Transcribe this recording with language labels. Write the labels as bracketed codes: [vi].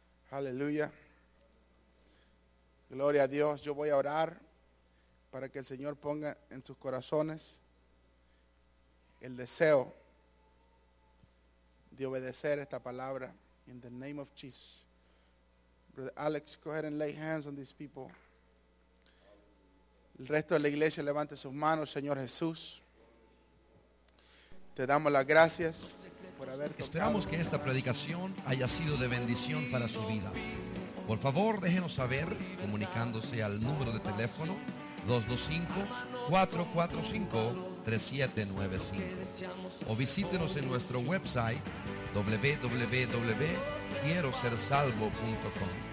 [es] Aleluya. Gloria a Dios. Yo voy a orar para que el Señor ponga en sus corazones el deseo de obedecer esta palabra. [en] In the name of Jesus. Brother Alex, go ahead and lay hands on these people. [es] El resto de la iglesia levante sus manos, Señor Jesús. Te damos las gracias por haber tocado. Esperamos que esta predicación haya sido de bendición para su vida. Por favor, déjenos saber comunicándose al número de teléfono 225-445-3795 o visítenos en nuestro website www.quierosersalvo.com.